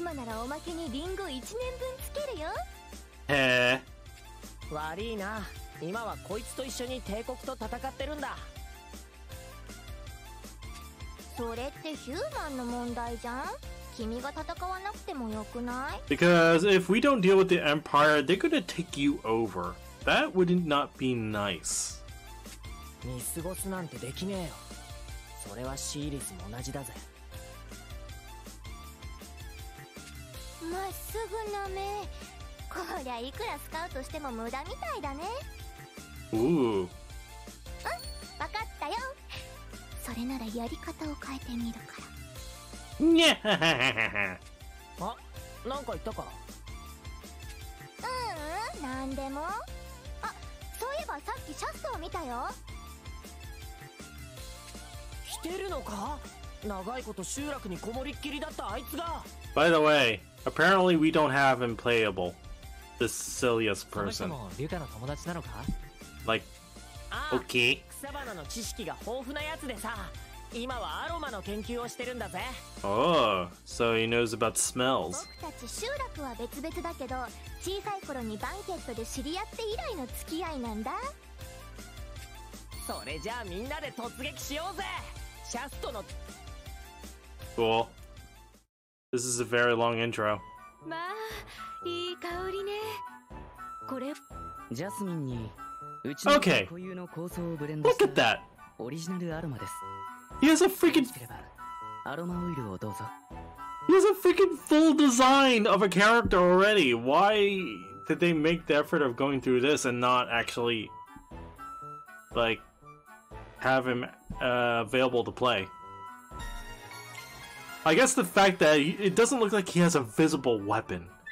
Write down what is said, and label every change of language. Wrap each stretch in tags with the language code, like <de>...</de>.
<ja>今ならおまけにリンゴ1年分つけるよ。へえ。悪いな。今はこいつと一緒に帝国と戦ってるんだ。それってヒューマンの問題じゃん。君が戦わなくてもよくない？</ja> <en>Because if we don't deal with the Empire, they're gonna take you over. That would not be nice.</en> <ja>見過ごすなんてできねえよ。それはシーリスも同じだぜ。まっすぐな目。こりゃいくらスカウトしても無駄みたいだね。 Ooh. うん、わかったよ。それならやり方を変えてみるから。にゃっ。あ、なんか言ったか。ううん、なんでも。あ、そういえばさっきシャッターを見たよ。来てるのか。長いこと集落にこもりっきりだったあいつが。</ja> <en>By the way, apparently we don't have him playable. The silliest person.</en> <ja>その人もリュカの友達なのか。</ja> <en>Like, okay.</en> <ja>草花の知識が豊富なやつでさ、今はアロマの研究をしてるんだぜ。</ja> <en>Oh, so he knows about smells.</en> <ja>僕たち集落は別々だけど、小さい頃にバンケットで知り合って以来の付き合いなんだ。それじゃあみんなで突撃しようぜ。シャストの。</ja> <en>Cool. This is a very long intro.</en> <ja>まあ、いい香りね。これ、ジャスミンにうちの固有の香草をブレンドした。</ja> <en>Look at that.</en> <ja>オリジナルアロマです。</ja> <en>He has a freaking.</en> <ja>アロマオイルをどうぞ。</ja> <en>He has a freaking full design of a character already. Why did they make the effort of going through this and not actually, like, have him available to play? I guess the fact that it doesn't look like he has a visible weapon.</en>